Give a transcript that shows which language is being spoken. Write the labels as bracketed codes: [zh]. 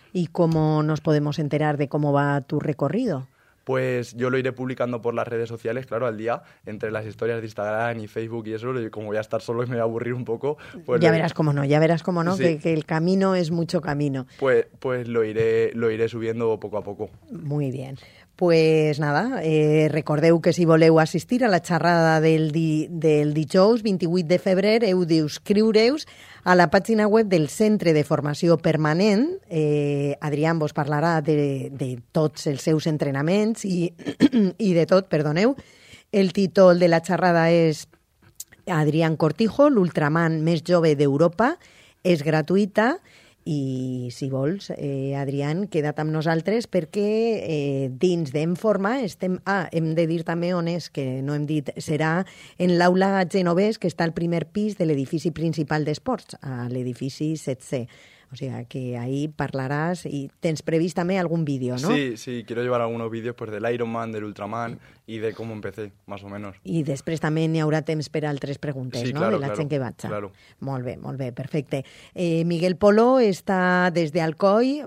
[es] ¿Y cómo nos podemos enterar de cómo va tu recorrido? Pues yo lo iré publicando por las redes sociales, claro, al día, entre las historias de Instagram y Facebook y eso, como voy a estar solo y me voy a aburrir un poco. Pues ya verás cómo no, sí. que el camino es mucho camino. Pues lo iré subiendo poco a poco. Muy bien. [ca] Pues nada, recordeu que si voleu assistir a la xerrada del dijous 28 de febrer, heu d'inscriure-us a la pàgina web del Centre de Formació Permanent. Adrián vos parlarà de tots els seus entrenaments i de tot, perdoneu. El títol de la xerrada és Adrián Cortijo, l'ultraman més jove d'Europa. És gratuïta. I si vols, Adrián, queda't amb nosaltres perquè dins d'En Forma estem... Ah, hem de dir també on és, que no hem dit... Serà en l'aula Genovés, que està al primer pis de l'edifici principal d'esports, a l'edifici 7C. [es] O sea, que ahí [ca] parlaràs i tens previst també algun vídeo, no? [es] Sí, quiero llevar algunos vídeos pues, [ca] de l'Ironman, de l'Ultraman i de com [es] empecé, más o menos. [ca] I després també n'hi haurà temps per altres preguntes, sí, no? [es] Claro, [ca] de la [es] claro, [ca] gent que vaja. [es] Claro. [ca] Molt bé, perfecte. Miguel Polo està des d'Alcoi.